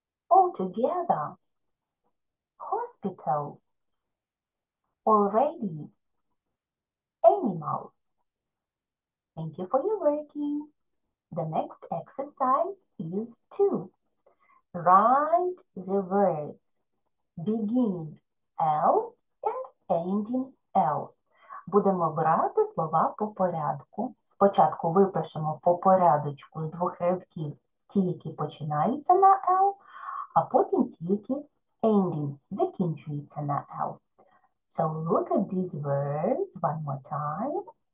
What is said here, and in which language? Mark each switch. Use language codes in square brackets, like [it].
[en] Altogether. Hospital. Already. Animal. Thank you for your working. The next exercise is 2. Write the words beginning L and ending L. [uk] Будемо брати слова по порядку. Спочатку випишемо по порядочку з двох рядків ті, які починаються на L, а потім ті, які ending закінчуються на L. [en] So look at these words one more time.